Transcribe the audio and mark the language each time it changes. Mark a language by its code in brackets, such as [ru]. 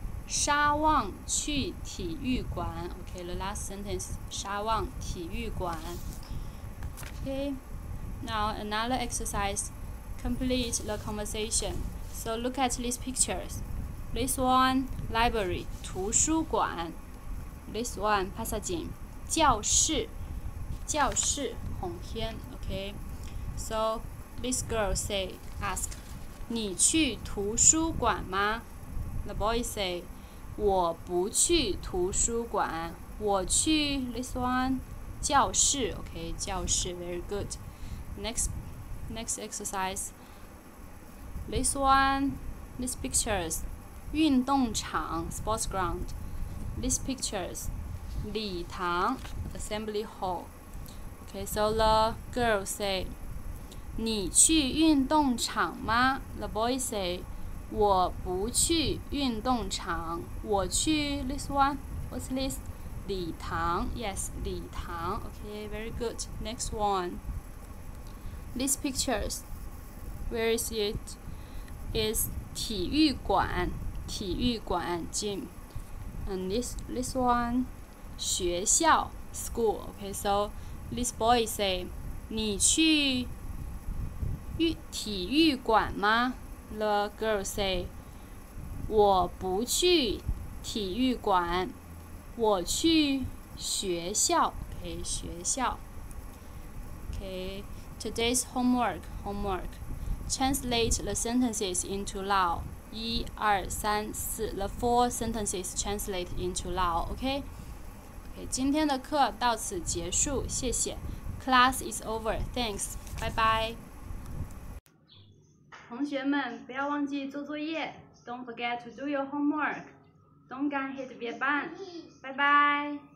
[zh] 沙旺去体育馆。OK。 [en] The last sentence， 沙旺体育馆。 Okay, now another exercise. Complete the conversation. So look at these pictures. This one, library, 图书馆. This one, 帕萨金, 教室, 教室, 红天. Okay. So this girl ask, [zh] 你去图书馆吗? [en] The boy say, [zh] 我不去图书馆, 我去, [en] this one, [zh] 教室 ，OK， 教室 ， [en] very good。 Next exercise. This one, these pictures, 运动场 ，sports ground. These pictures, 礼堂 ，assembly hall. OK, so the girl say, [zh] 你去运动场吗 [en] ？The boy say, [zh] 我不去运动场，我去 [en] this one. What's this? 礼堂。Yes, 礼堂。Okay, very good. Next one. These pictures. Where is it? It's 体育馆。体育馆 gym. And this one. 学校 school. Okay, so this boy say, [zh] 你去体育馆吗？ [en] The girl say, [zh] 我不去体育馆，我去学校。 [en] Okay, 学校。Okay, today's homework. Translate the sentences into Lao. 一、二、三、四 The four sentences translate into Lao. Okay? [zh] Okay, 今天的课到此结束，谢谢。 [en] Class is over. Thanks. Bye bye. [zh] 同学们，不要忘记做作业。 [en] Don't forget to do your homework. Don't get hit by a bus. Bye bye.